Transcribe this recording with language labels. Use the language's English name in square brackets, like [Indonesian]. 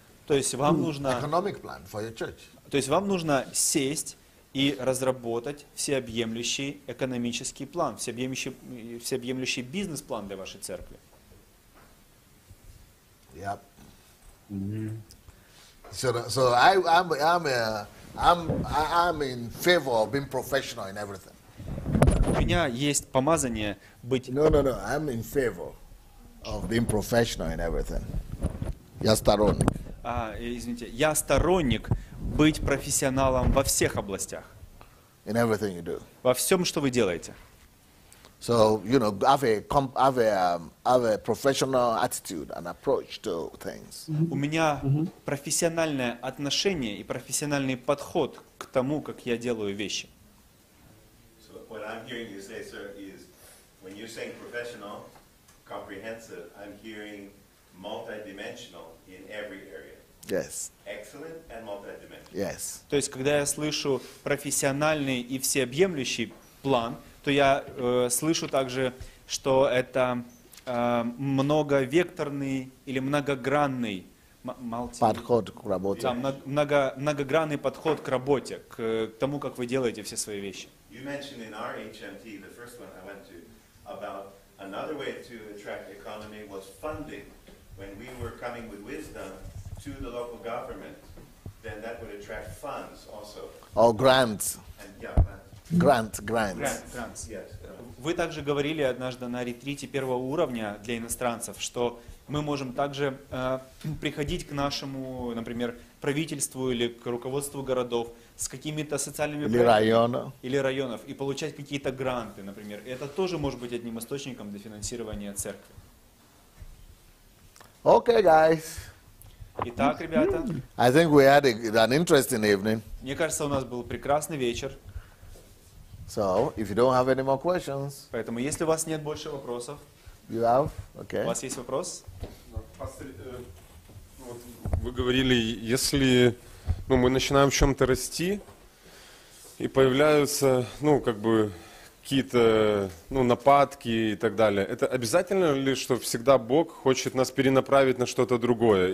[Russian] То есть вам нужно... [English] Economic plan for your church. [Russian] То есть вам нужно сесть и разработать всеобъемлющий экономический план, всеобъемлющий бизнес-план для вашей церкви. [English] Yep. So I'm in favor of being professional in everything. У меня есть помазание быть. No. I'm in favor of being professional in everything. [Russian] Я сторонник. Извините, я сторонник быть профессионалом во всех областях. In everything you do. Во всем, что вы делаете. So, you know, have a professional attitude and approach to things. У меня профессиональное отношение и профессиональный подход к тому, как я делаю вещи. [English] So what I'm hearing you say, sir, is when you're saying professional, comprehensive, I'm hearing multidimensional in every area. Yes. Excellent and multidimensional. Yes. [Russian] То есть, когда я слышу профессиональный и всеобъемлющий план, то я слышу также, что это многовекторный или многогранный подход к работе. Да, многогранный подход к работе, к тому, как вы делаете все свои вещи. [English] You mentioned in our HMT, the first one I went to, about another way to attract economy was funding. When we were coming with wisdom to the local government, then that would attract funds also. Or grants. And, yeah, grants. Grants. [Russian] Вы также говорили однажды на ретрите первого уровня для иностранцев, что мы можем также приходить к нашему, например, правительству или к руководству городов с какими-то социальными проектами или районов и получать какие-то гранты, например. Это тоже может быть одним источником для финансирования церкви. [English] Okay, guys. [Russian] Итак, ребята. [English] I think we had an interesting evening. [Russian] Мне кажется, у нас был прекрасный вечер. [English] So, if you don't have any more questions, [Russian] поэтому, если у вас нет больше вопросов, [English] you have, okay. [Russian] У вас есть вопрос? Вот вы говорили, если мы начинаем в чем-то расти, и появляются какие-то нападки и так далее, это обязательно ли, что всегда Бог хочет нас перенаправить на что-то другое?